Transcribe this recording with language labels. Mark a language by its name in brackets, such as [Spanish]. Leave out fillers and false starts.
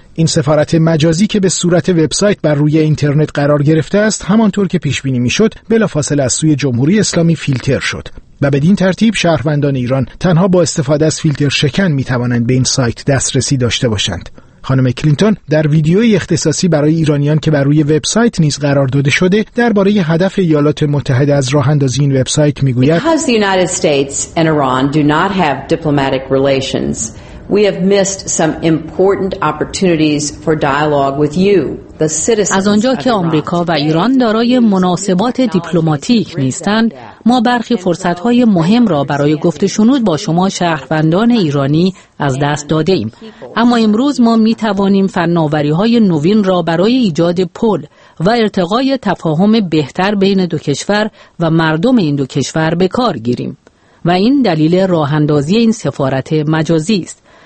[Persian] این سفارت مجازی که به صورت وبسایت بر روی اینترنت قرار گرفته است، همانطور که پیش بینی میشد بلافاصله از سوی جمهوری اسلامی فیلتر شد و بدین ترتیب شهروندان ایران تنها با استفاده از فیلتر شکن می توانند به این سایت دسترسی داشته باشند. خانم کلینتون در ویدیوی اختصاصی برای ایرانیان که بر روی وبسایت نیز قرار داده شده درباره هدف ایالات متحده از راه اندازی این وبسایت میگوید: [English] Because the United States and Iran do not have diplomatic relations, we have missed some important opportunities for dialogue with you. [Persian] از آنجا که آمریکا و ایران دارای مناسبات دیپلماتیک نیستند، ما برخی فرصت‌های مهم را برای گفت‌وشنود با شما شهروندان ایرانی از دست داده‌ایم. اما امروز ما می‌توانیم فناوری‌های نوین را برای ایجاد پل و ارتقای تفاهم بهتر بین دو کشور و مردم این دو کشور به کار گیریم و این دلیل راه‌اندازی این سفارت مجازی است.